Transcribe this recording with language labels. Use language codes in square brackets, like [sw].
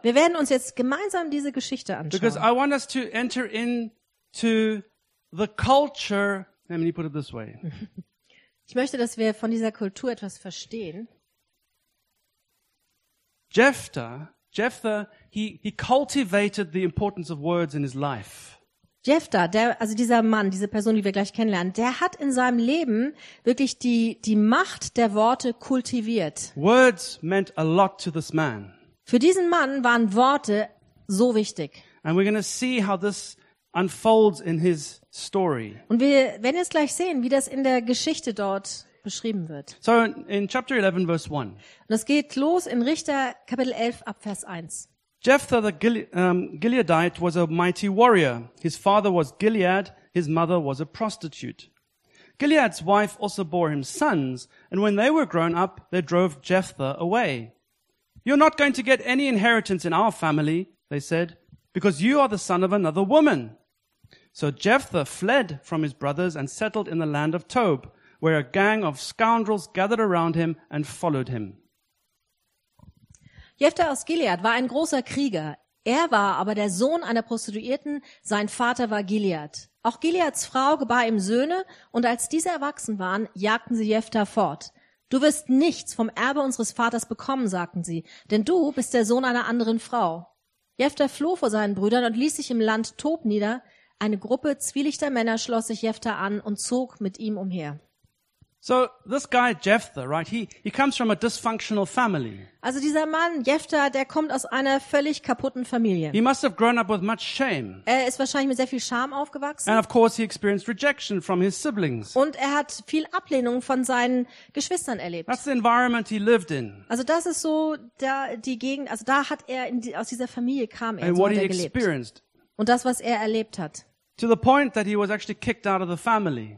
[de] Wir werden uns jetzt gemeinsam diese Geschichte anschauen. [en] Because I want us to enter into the culture. Let me put it this way. [de] Ich möchte, dass wir von dieser Kultur etwas verstehen. [en] Jephthah, he cultivated the importance of words in his life. [de] Jephthah, der, also dieser Mann, diese Person, die wir gleich kennenlernen, der hat in seinem Leben wirklich die Macht der Worte kultiviert. [en] Words meant a lot to this man. [de] Für diesen Mann waren Worte so wichtig. [en] And we're going to see how this unfolds in his story. [de] Und wir werden jetzt gleich sehen, wie das in der Geschichte dort beschrieben wird. [en] So in chapter 11 verse 1. [de] Und es geht los in Richter Kapitel 11 ab Vers 1. [en] Jephthah the Gileadite was a mighty warrior. His father was Gilead, his mother was a prostitute. Gilead's wife also bore him sons, and when they were grown up, they drove Jephthah away. You're not going to get any inheritance in our family, they said, because you are the son of another woman. So Jephthah fled from his brothers and settled in the land of Tob, where a gang of scoundrels gathered around him and followed him. [de] Jephthah aus Gilead war ein großer Krieger. Er war aber der Sohn einer Prostituierten, sein Vater war Gilead. Auch Gileads Frau gebar ihm Söhne, und als diese erwachsen waren, jagten sie Jephthah fort. Du wirst nichts vom Erbe unseres Vaters bekommen, sagten sie, denn du bist der Sohn einer anderen Frau. Jephthah floh vor seinen Brüdern und ließ sich im Land Tob nieder. Eine Gruppe zwielichter Männer schloss sich Jephthah an und zog mit ihm umher. [en] So this guy Jephthah, right? He comes from a dysfunctional family. [de] Also dieser Mann Jephthah, der kommt aus einer völlig kaputten Familie. [en] He must have grown up with much shame. [de] Er ist wahrscheinlich mit sehr viel Scham aufgewachsen. [en] And of course he experienced rejection from his siblings. [de] Und er hat viel Ablehnung von seinen Geschwistern erlebt. [en] That's the environment he lived in. [de] Also das ist so da die Gegend, also da hat er aus dieser Familie kam er, [en] and so what [de] hat er [en] he experienced. [de] Gelebt. Und das, was er erlebt hat. [en] To the point that he was actually kicked out of the family.